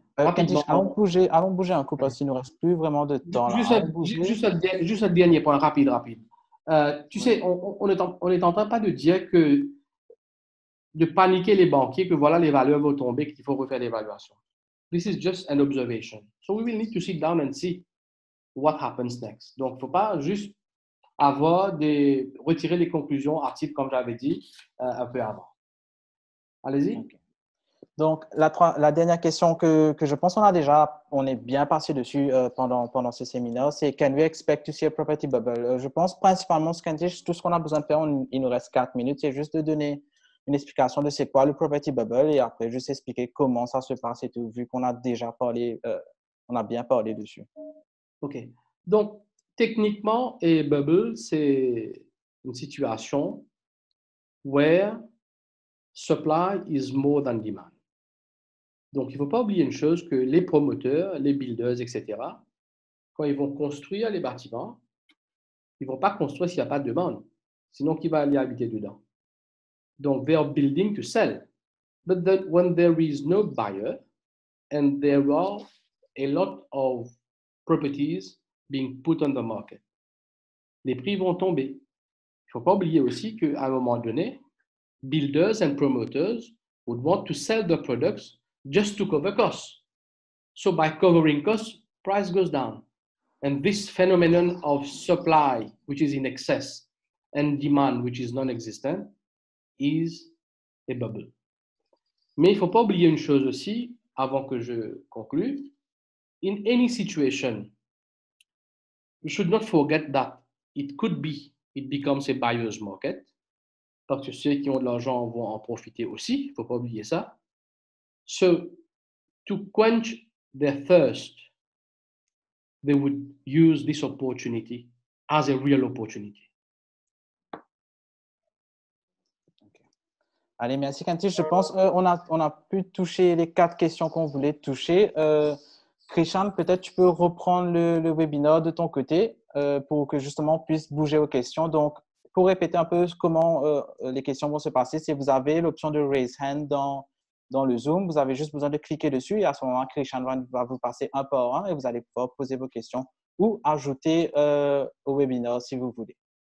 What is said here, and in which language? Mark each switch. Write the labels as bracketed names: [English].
[French] Allons bouger un coup parce qu'il ne nous reste plus vraiment de temps. Juste un dernier point, rapide. Tu sais, on est en train pas de dire que de paniquer les banquiers que voilà, les valeurs vont tomber, qu'il faut refaire l'évaluation. [English] This is just an observation. So we will need to sit down and see what happens next. [French] Donc, il ne faut pas juste retirer les conclusions à titre, comme j'avais dit, un peu avant. Allez-y. Okay. Donc, la dernière question que je pense qu'on a déjà, on est bien passé dessus pendant ce séminaire, c'est « [English] Can we expect to see a property bubble? [French] » Je pense principalement, tout ce qu'on a besoin de faire, il nous reste 4 minutes, c'est juste de donner une explication de c'est quoi le property bubble et après juste expliquer comment ça se passe et tout, vu qu'on a déjà parlé, on a bien parlé dessus. OK. Donc, techniquement, [English] a bubble, [French] c'est une situation [English] where supply is more than demand. [French] Donc, il ne faut pas oublier une chose que les promoteurs, les builders, etc., quand ils vont construire les bâtiments, ils ne vont pas construire s'il n'y a pas de demande. Sinon, qui va aller habiter dedans? Donc, [English] they're building to sell. But that when there is no buyer and there are a lot of properties being put on the market. [French] Les prix vont tomber. Il ne faut pas oublier aussi qu'à un moment donné, [English] builders and promoters would want to sell the products just to cover costs. So by covering costs, price goes down. And this phenomenon of supply, which is in excess, and demand, which is non-existent, is a bubble. [French] Mais il ne faut pas oublier une chose aussi, avant que je conclue. [English] In any situation, you should not forget that it could be, it becomes a buyer's market. [French] Parce que ceux qui ont de l'argent vont en profiter aussi. Il ne faut pas oublier ça. [English] So, to quench their thirst, they would use this opportunity as a real opportunity. [French] Okay. Allez, merci, Kanti. Je pense qu'on a pu toucher les quatre questions qu'on voulait toucher. Krishan, peut-être tu peux reprendre le webinaire de ton côté pour que justement on puisse bouger aux questions. Donc, pour répéter un peu comment les questions vont se passer, si vous avez l'option de raise hand dans le Zoom, vous avez juste besoin de cliquer dessus et à ce moment, Krishan va vous passer un par un et vous allez pouvoir poser vos questions ou ajouter au webinaire si vous voulez.